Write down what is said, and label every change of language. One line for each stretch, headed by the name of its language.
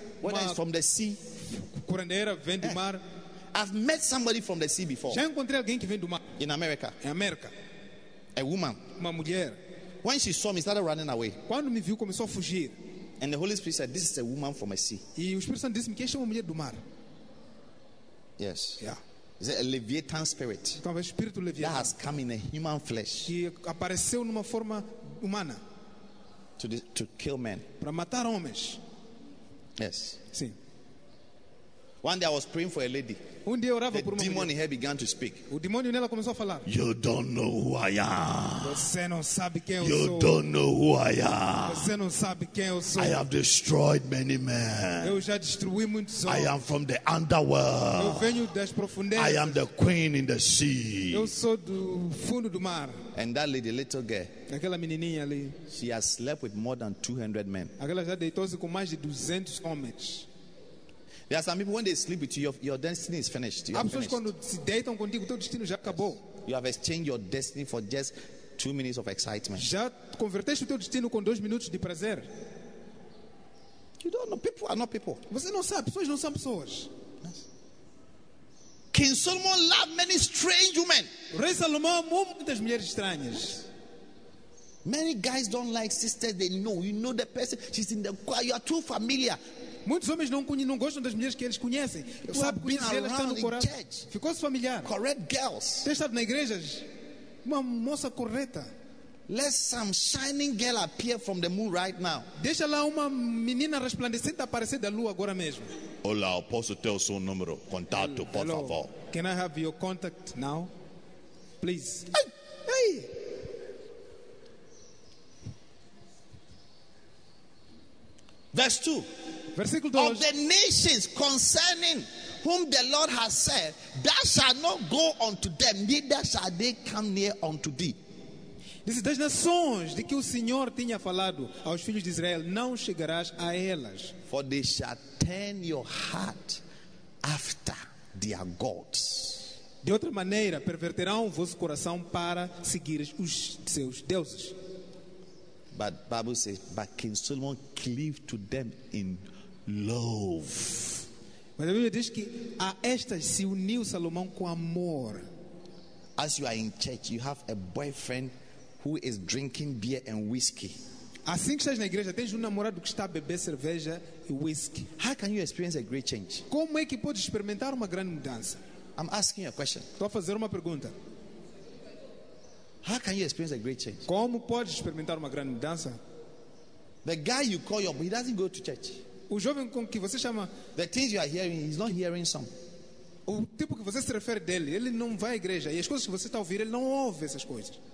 English: Whether it's from the sea.
Portuguese: Curandeira, vem do mar.
English: I've met somebody from the sea before.
Portuguese: Já encontrei alguém que vem do mar.
English: In America.
Portuguese: Em América.
English: A woman.
Portuguese: Uma mulher.
English: When she saw me, started running away.
Portuguese: Quando me viu, começou a fugir.
English: And the Holy Spirit said, "This is a woman from a sea."
Portuguese: E o Espírito Santo disse-me que esta é uma mulher do mar.
English: Yes. Yeah. Is it a Leviathan spirit?
Portuguese: Então, é o espírito Leviathan.
English: That has come in a human flesh.
Portuguese: Que apareceu numa forma humana.
English: To kill men.
Portuguese: Para matar homens.
English: Yes.
Portuguese: Sim.
English: One day I was praying for a lady.
Portuguese: Um dia eu orava por uma mulher.
English: The demon in her began to speak.
Portuguese: O demônio nela começou a falar.
English: You don't know who I am.
Portuguese: Você não sabe quem eu sou.
English: You don't know who I am.
Portuguese: Você não sabe quem eu sou.
English: I have destroyed many men.
Portuguese: Eu já destruí muitos homens.
English: I am from the underworld.
Portuguese: Eu venho das profundezas.
English: I am the queen in the sea.
Portuguese: Eu sou do fundo do mar.
English: And that lady, little girl.
Portuguese: Aquela menininha ali.
English: She has slept with more than 200 men.
Portuguese: Aquela já deitou-se com mais de 200 homens.
English: There are some people when they sleep with you, your destiny is finished.
Portuguese: Há pessoas quando se deitam contigo, teu destino já acabou.
English: You have exchanged your destiny for just 2 minutes of excitement.
Portuguese: Já converteste o teu destino com 2 minutos de prazer.
English: You don't know. People are not people.
Portuguese: Você não sabe. Pessoas não são pessoas.
English: Yes. King Solomon loved many strange women.
Portuguese: O rei Salomão amou muitas mulheres estranhas.
English: Many guys don't like sisters they know. You know the person. She's in the choir. You are too familiar.
Portuguese: Muitos homens não gostam das mulheres que eles conhecem. Eu sabe que elas estão no coração. Ficou-se familiar.
English: Correct girls.
Portuguese: Tem estado na igreja. Uma moça correta.
English: Let some shining girl appear from the moon right now.
Portuguese: Deixa lá uma menina resplandecente aparecer da lua agora mesmo. Olá, posso ter o seu número? Contato, por
English: Hello.
Portuguese: Favor.
English: Can I have your contact now? Please. Hey. Verse 2.
Portuguese: Versículo 2.
English: Of the nations concerning whom the Lord has said, thou shalt not go unto them, neither shall they come near unto thee.
Portuguese: Diz, das nações de que o Senhor tinha falado aos filhos de Israel, não chegarás a elas.
English: For they shall turn your heart after their gods.
Portuguese: De outra maneira, perverterão o vosso coração para seguir os seus deuses.
English: But Bible says, but King Solomon cleave to them in love.
Portuguese: Mas a Bíblia diz que a estas se uniu Salomão com amor.
English: As you are in church, you have a boyfriend who is drinking beer and whiskey.
Portuguese: Assim que estás na igreja, tens namorado que está a beber cerveja e whisky.
English: How can you experience a great change?
Portuguese: Como é que podes experimentar uma grande mudança?
English: I'm asking a question.
Portuguese: Estou a fazer uma pergunta.
English: How can you experience a great change?
Portuguese: Como podes experimentar uma grande mudança?
English: The guy you call your boy, he doesn't go to church.
Portuguese: O jovem com que você chama,
English: the things you are hearing, he's not hearing some.
Portuguese: O tipo que você se refere dele, ele não vai à igreja. E as coisas que você está a ouvir, ele não ouve essas coisas.